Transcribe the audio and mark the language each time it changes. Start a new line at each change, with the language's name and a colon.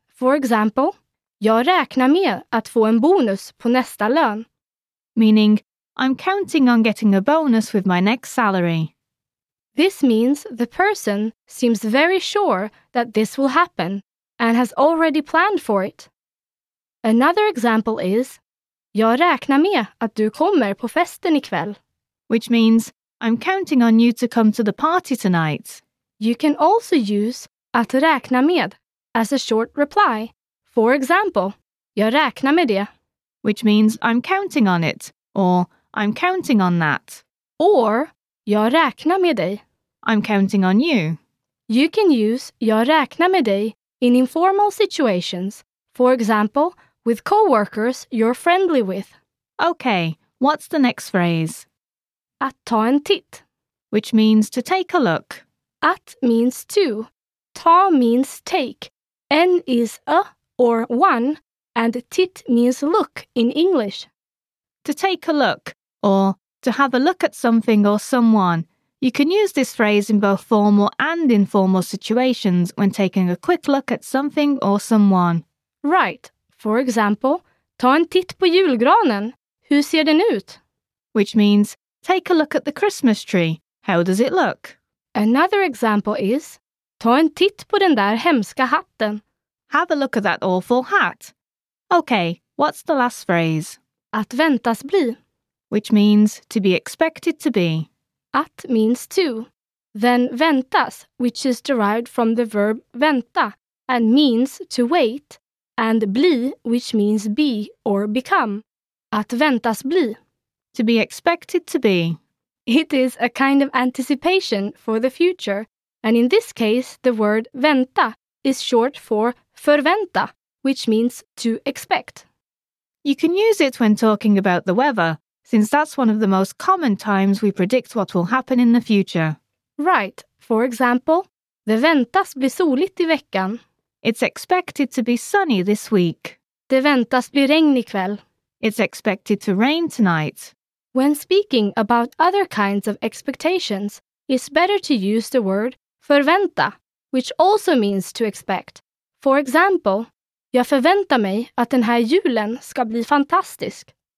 English: For example,
Swedish: jag räknar med att få en bonus på nästa lön.
English: Meaning, I'm counting on getting a bonus with my next salary. This means the person seems very sure that this will happen and has already planned for it. Another example is,
Swedish: jag räknar med att du kommer på festen ikväll.
English: Which means, I'm counting on you to come to the party tonight. You can also use
Swedish: att räkna med
English: as a short reply. For example,
Swedish: jag räknar med det.
English: Which means I'm counting on it, or I'm counting on that. Or,
Swedish: jag räknar med dig.
English: I'm counting on you. You can use
Swedish: jag räknar med dig
English: in informal situations. For example, with co-workers you're friendly with. Okay, what's the next phrase?
Swedish: Att ta en titt.
English: Which means to take a look. Att means to. Ta means take. En is a or one. And titt means look in English. To take a look, or to have a look at something or someone. You can use this phrase in both formal and informal situations when taking a quick look at something or someone. Right. For example,
Swedish: ta en titt på julgranen. Hur ser den ut?
English: Which means, take a look at the Christmas tree. How does it look? Another example is,
Swedish: ta en titt på den där hemska hatten.
English: Have a look at that awful hat. Okay, what's the last phrase?
Swedish: Att väntas bli.
English: Which means to be expected to be. Att means to. Then väntas, which is derived from the verb vänta, and means to wait, and bli, which means be or become.
Swedish: Att väntas bli.
English: To be expected to be. It is a kind of anticipation for the future, and in this case, the word vänta is short for förvänta, which means to expect. You can use it when talking about the weather, since that's one of the most common times we predict what will happen in the future. Right. For example,
Swedish: det väntas bli soligt I veckan.
English: It's expected to be sunny this week.
Swedish: Det väntas bli regn ikväll.
English: It's expected to rain tonight. When speaking about other kinds of expectations, it's better to use the word förvänta, which also means to expect. For example,
Swedish: jag förväntar mig att den här julen ska bli fantastisk.